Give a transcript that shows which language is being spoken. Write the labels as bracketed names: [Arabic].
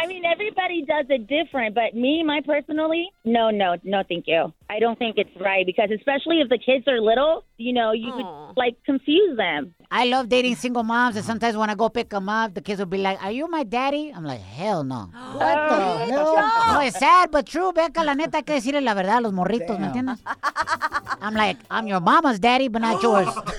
[English] I mean, everybody does it different. But me, my personally, no, thank you. I don't think it's right. Because especially if the kids are little, you know, you could, like, confuse them. I love dating single moms, and sometimes when I go pick them up, the kids will be like, are you my daddy? I'm like, hell no. What the hell? No, it's sad, but true, Becca. [Spanish] La neta, hay que decirle la verdad a los morritos, ¿me entiendes? [English] I'm like, I'm your mama's daddy, but not yours.